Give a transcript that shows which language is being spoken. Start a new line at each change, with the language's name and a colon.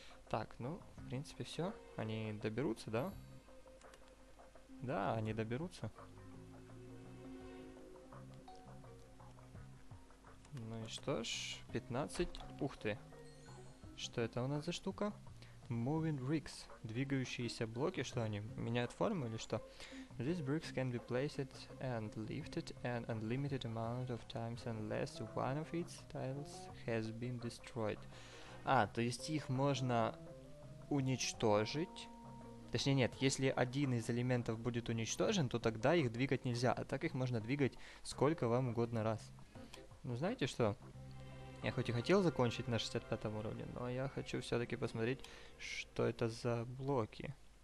Russian: Так, ну, в принципе, все. Они доберутся, да? Да, они доберутся. Ну и что ж, 15. Ух ты. Что это у нас за штука?
English: Moving rigs.
Russian: Двигающиеся блоки, что они меняют форму или что?
English: These bricks can be placed and lifted an unlimited amount of times unless one of its tiles has been destroyed.
Russian: А, то есть их можно уничтожить. Точнее, нет, если один из элементов будет уничтожен, то тогда их двигать нельзя. А так их можно двигать сколько вам угодно раз. Ну, знаете что? Я хоть и хотел закончить на 65 уровне, но я хочу все-таки посмотреть, что это за блоки.